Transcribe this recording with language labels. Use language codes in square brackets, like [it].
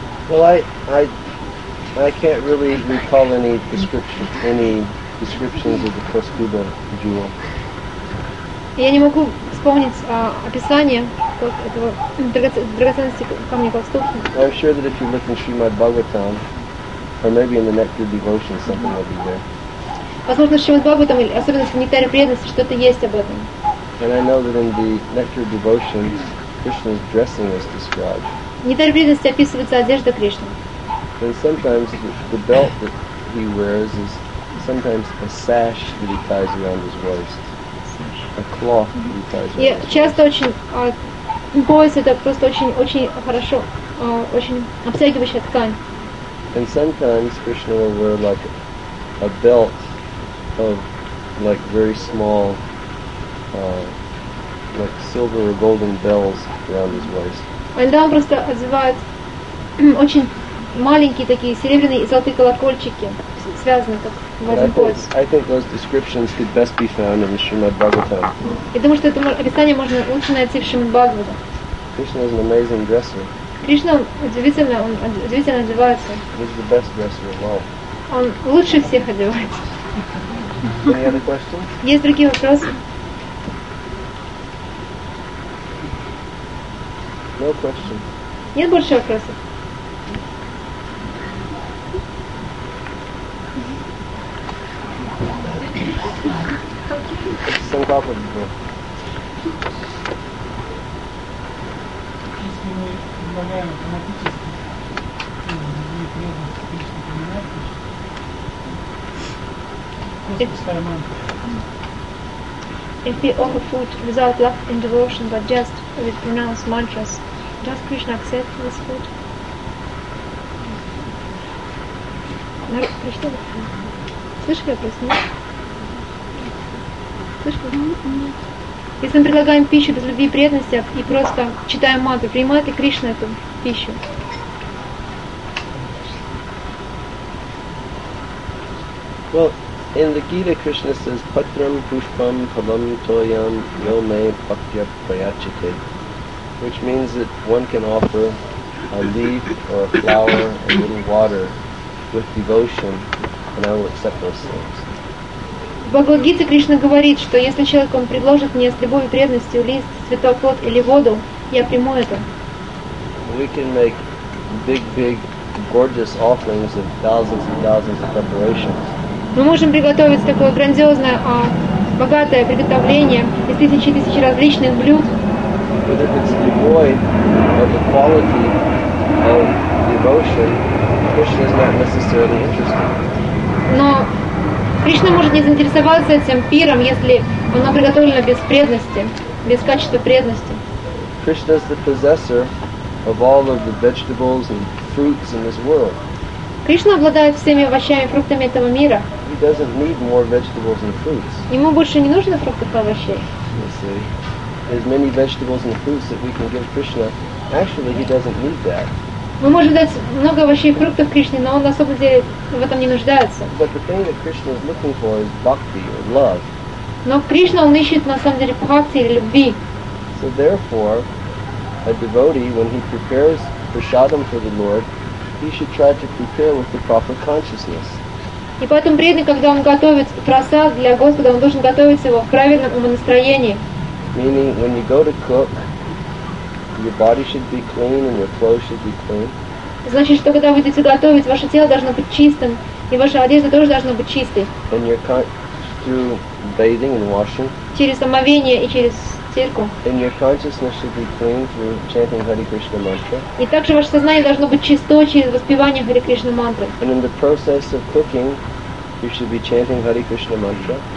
[en] Well, I can't really recall any descriptions of the Kaustubha jewel. [ru] Я не могу вспомнить описание этого драгоценности камня Каустубха. [en] I'm sure that if you look in Srimad Bhagavatam, or maybe in the Nectar Devotion, something will be there. [ru] Возможно, в Шримад Бхагаватам, особенно в Нектаре Преданности, что-то есть об этом. [en] And I know that in the Nectar Devotion, Krishna's dressing is described. [ru] В Нектаре Преданности описывается одежда Кришны. [en] And sometimes the belt that he wears is sometimes a sash that he ties around his waist, a cloth that he ties around his waist. [ru] Часто очень пояс это просто очень очень хорошо очень обтягивающая ткань. [en] And sometimes Krishna will wear like a belt of like very small like silver or golden bells around his waist. [ru] Иногда он просто одевает очень маленькие такие серебряные и золотые колокольчики, связанные как в один пояс. [en] I think those descriptions could best be found in Srimad Bhagavatam. [ru] Я думаю, что это описание можно лучше найти в Шримад Бхагаватам. [en] Krishna is an amazing dresser. [ru] Кришна удивительно, он удивительно одевается. [en] He's the best dresser of all. [ru] Он лучше всех одевается. [en] Any other questions? [ru] Есть другие вопросы? [en] No questions. [ru] Нет больше вопросов? Если мы предлагаем автоматически другие преданности Кришне поменять, то есть пускай мантра. [en] If we offer food without love and devotion, but just with pronounced mantras, does Krishna accept this food? [ru] Слышали вопрос? Нет? Слышь, если мы предлагаем пищу без любви и преданности и просто читаем мантру, принимает ли Кришна эту пищу? [en] Well, in the Gita, Krishna says, [sa] "Patram pushpam phalam toyam yo me bhaktya prayachate," [en] which means that one can offer a leaf or a flower, a little water, with devotion, and I will accept those things. [ru] В Бхагавад-гите Кришна говорит, что если человек он предложит мне с любовью и преданностью лист, цветок, плод или воду, я приму это. [en] We can make big, gorgeous offerings of thousands and thousands of preparations. [ru] Мы можем приготовить такое грандиозное, богатое приготовление из тысячи и тысячи различных блюд. [en] But if it's devoid of the quality of devotion, Krishna is not necessarily interested. [ru] Но Кришна может не заинтересоваться этим пиром, если оно приготовлено без преданности, без качества преданности. [en] Krishna is the possessor of all of the vegetables and fruits in this world. [ru] Кришна обладает всеми овощами и фруктами этого мира. [en] He doesn't need more vegetables and fruits. [ru] Ему больше не нужно фруктов и овощей. [en] You see, as many vegetables and fruits that we can give Krishna, actually he doesn't need that. [ru] Мы можем дать много овощей и фруктов Кришне, но он на самом деле в этом не нуждается. [en] But the thing that Krishna is looking for is bhakti or love. [ru] Но Кришна, он ищет на самом деле бхакти или любви. [en] So therefore, a devotee, when he prepares prasadam for the Lord, he should try to prepare with the proper consciousness. [ru] И поэтому преданный, когда он готовит просад для Господа, он должен готовить его в правильном настроении. [en] Meaning, when you go to cook, your body should be clean and your clothes should be clean. [ru] Значит, что когда вы будете готовить, ваше тело должно быть чистым, и ваша одежда тоже должна быть чистой. [en] And your through bathing and washing. [ru] Через омовение и через стирку. [en] And your consciousness should be clean through chanting Hare Krishna mantra. [ru] И также ваше сознание должно быть чисто через воспевание Hare Krishna мантры. [en] And in the process of cooking, you should be chanting Hare Krishna mantra.